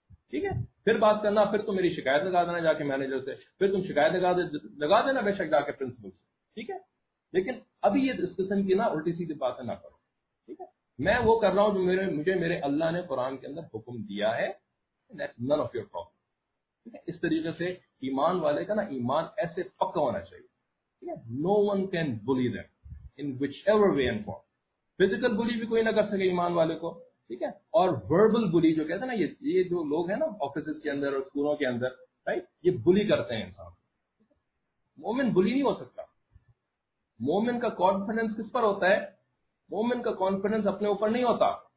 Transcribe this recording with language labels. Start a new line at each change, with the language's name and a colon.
Urdu: ٹھیک ہے, پھر بات کرنا, پھر تم میری شکایت لگا دینا جا کے مینیجر سے, پھر تم شکایت لگا دینا بے شک جا کے پرنسپل سے. ٹھیک ہے, لیکن ابھی یہ اس قسم کی نا الٹی سیدھی باتیں نہ کرو. ٹھیک ہے, میں وہ کر رہا ہوں جو مجھے میرے اللہ نے قرآن کے اندر حکم دیا ہے,
English: That's none of your problem.
Urdu: ٹھیک ہے, اس طریقے سے ایمان والے کا نا ایمان ایسے پکا ہونا چاہیے.
English: No one can bully them in whichever way and form. Physical bully
Urdu: بھی کوئی نہ کر سکے ایمان والے کو. ٹھیک ہے, اور وربل بلی جو کہتے ہیں نا, یہ جو لوگ ہیں نا آفیسز کے اندر اور اسکولوں کے اندر, رائٹ, یہ بلی کرتے ہیں انسان. مومن بلی نہیں ہو سکتا. مومن کا کانفیڈینس کس پر ہوتا ہے؟ مومن کا کانفیڈینس اپنے اوپر نہیں ہوتا.